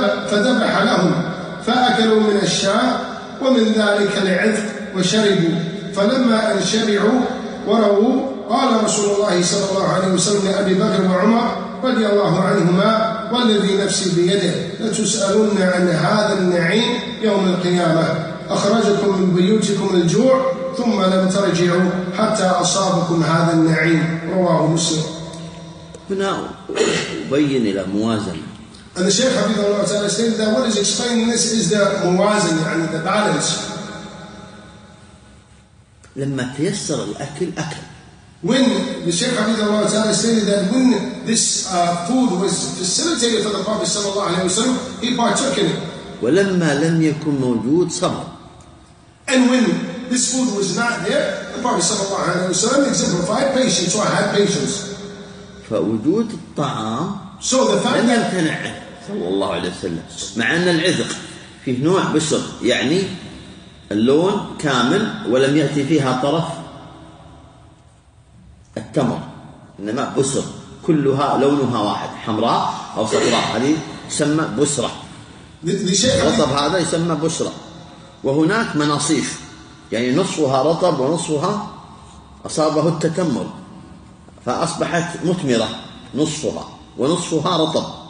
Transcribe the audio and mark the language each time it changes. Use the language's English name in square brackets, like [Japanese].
[Arabic] فذبح لهم فأكلوا من الشاء ومن ذلك العذق وشربوا فلما أن شبعوا ورووا قال رسول الله صلى الله عليه وسلم لأبي بكر وعمر رضي الله عنهما والذي نفسي بيده لتسألن عن هذا النعيم يوم القيامة أخرجكم من بيوتكم الجوع ثم لم ترجعوا حتى أصابكم هذا النعيم رواه مسلم. هنا بين إلى موازنة. [English] And the Shaykh [Arabic] حفظه الله تعالى [English] said that what is explaining this is the موازنة يعني the balance. [Arabic] لما تيسر الأكل أكل. [English] When the Shaykh [Arabic] حفظه الله تعالى [English] said that when this food was facilitated for the Prophet [Arabic] صلى الله عليه وسلم [English] he partook in it. [Arabic] ولما لم يكن موجود صبر. [English] And when this food was not there the Prophet [Arabic] صلى الله عليه وسلم [English] exemplified patience or had patience. [Arabic] فوجود الطعام [English] so the fact [Arabic] لم يمتنع صلى الله عليه وسلم مع أن العذق فيه نوع بسر يعني اللون كامل ولم يأتي فيها طرف التمر إنما بسر كلها لونها واحد حمراء أو صفراء هذه تسمى بسرة رطب هذا يسمى بسرة وهناك مناصيف يعني نصفها رطب ونصفها أصابه التتمر فأصبحت مثمرة نصفها ونصفها رطب